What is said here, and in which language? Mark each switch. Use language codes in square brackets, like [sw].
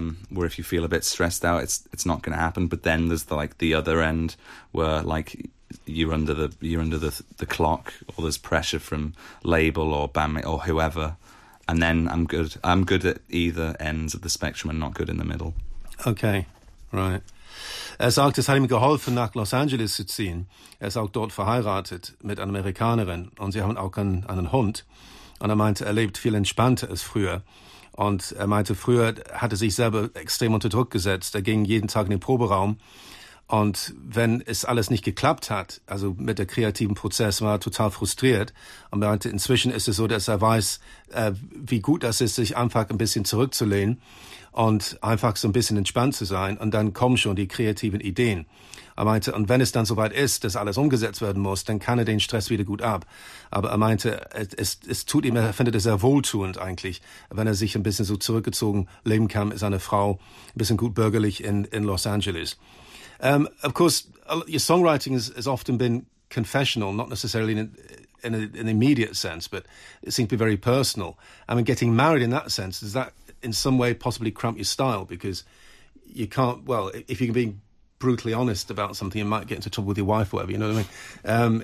[en] where if you feel a bit stressed out, it's not going to happen. But then there's the, like the other end where like you're under the clock, or there's pressure from label or bandmate or whoever. And then I'm good at either ends of the spectrum and not good in the middle. Okay, right. [de] Er sagt, es hat ihm geholfen, nach Los Angeles zu ziehen. Er ist auch dort verheiratet mit einer Amerikanerin und sie haben auch einen Hund. Und er meinte, er lebt viel entspannter als früher. Und er meinte, früher hatte er sich selber extrem unter Druck gesetzt. Er ging jeden Tag in den Proberaum. Und wenn es alles nicht geklappt hat, also mit der kreativen Prozess, war er total frustriert. Und er meinte, inzwischen ist es so, dass er weiß, wie gut das ist, sich einfach ein bisschen zurückzulehnen und einfach so ein bisschen entspannt zu sein. Und dann kommen schon die kreativen Ideen. Er meinte, und wenn es dann soweit ist, dass alles umgesetzt werden muss, dann kann er den Stress wieder gut ab. Aber er meinte, es tut ihm, er findet es sehr wohltuend eigentlich, wenn er sich ein bisschen so zurückgezogen leben kann mit seiner Frau, ein bisschen gut bürgerlich in Los Angeles. [en] Of course, your songwriting has often been confessional, not necessarily in an immediate sense, but it seems to be very personal. I mean, getting married in that sense, does that in some way possibly cramp your style? Because you can't, well, if you can be brutally honest about something, you might get into trouble with your wife or whatever, you know what I mean?